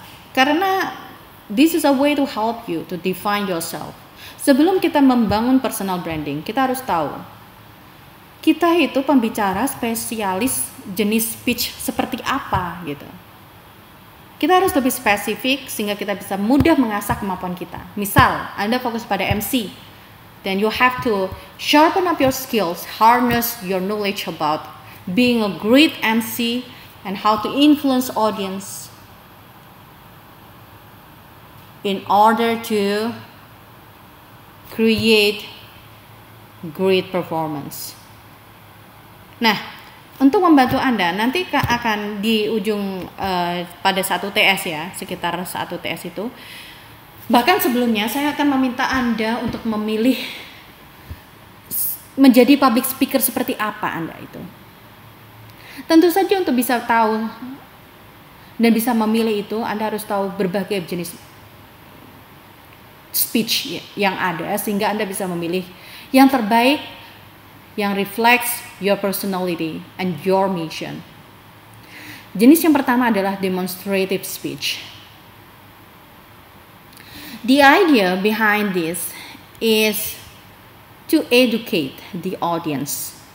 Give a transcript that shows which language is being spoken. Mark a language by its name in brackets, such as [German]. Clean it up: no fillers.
[English] Karena this is a way to help you to define yourself. [Indonesian] Sebelum kita membangun personal branding, kita harus tahu kita itu pembicara spesialis jenis speech seperti apa gitu. Kita harus lebih spesifik sehingga kita bisa mudah mengasah kemampuan kita. Misal, Anda fokus pada MC, [English] then you have to sharpen up your skills, harness your knowledge about being a great MC and how to influence audience in order to create great performance. [Indonesian] Nah, untuk membantu Anda, nanti akan di ujung pada 1 TS ya, sekitar 1 TS itu. Bahkan sebelumnya, saya akan meminta Anda untuk memilih menjadi public speaker seperti apa Anda itu. Tentu saja untuk bisa tahu dan bisa memilih itu, Anda harus tahu berbagai jenis speech yang ada, sehingga Anda bisa memilih yang terbaik, yang [English] reflects your personality and your mission. [Indonesian] Jenis yang pertama adalah demonstrative speech. [English] The idea behind this is to educate the audience.